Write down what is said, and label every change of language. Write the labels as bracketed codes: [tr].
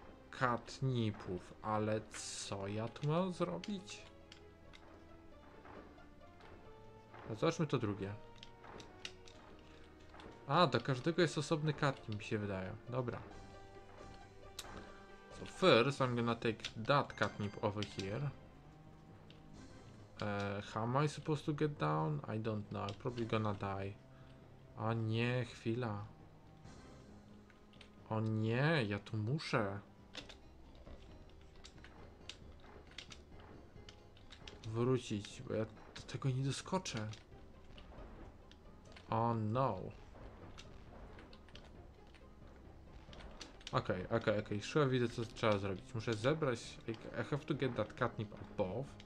[pl] Katnipów, ale co ja tu mam zrobić? Zobaczmy to drugie. A, do każdego jest osobny katnip, mi się wydaje. Dobra. [en] So first I'm gonna take that catnip over here. How am I supposed to get down? I don't know, I'm probably gonna die. [pl] O nie, chwila. O nie, ja tu muszę. Wrócić, bo ja do tego nie doskoczę. [en] Oh no. [pl] Okej, okej, okej. Szła, widzę co trzeba zrobić. Muszę zebrać. [en] I have to get that catnip above.